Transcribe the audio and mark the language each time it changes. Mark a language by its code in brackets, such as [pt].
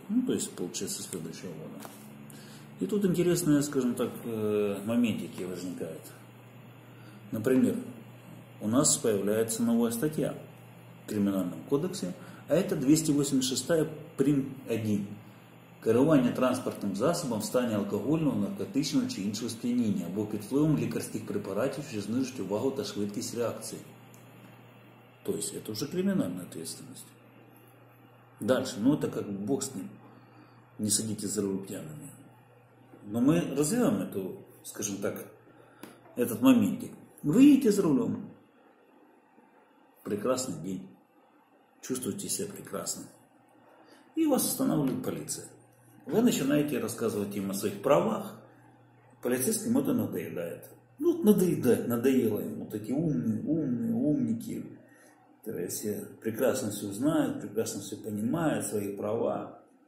[ru] Ну, то есть, получается, с следующего года. И тут интересные, скажем так, моментики возникают. Например, у нас появляется новая статья в Криминальном кодексе, а это 286 прим. 1. [uk] Керування транспортним засобом в стані алкогольного, наркотичного чи іншого сп'яніння або під впливом лікарських препаратів, що знижують увагу та швидкість реакції. Тобто, це вже кримінальна відповідальність. Далі, ну це як Бог з ним, не сидіть за руль п'яними. Але ми розвиваємо цю, скажімо так, цей моментик. Ви їдете за рулем. Прекрасний день. Чувствуєте себе прекрасно. І вас встановлює поліція. [ru] Вы начинаете рассказывать им о своих правах, полицейским это надоедает. Ну, надоедает, надоело им вот эти умники, которые все прекрасно все знают, прекрасно все понимают, свои права.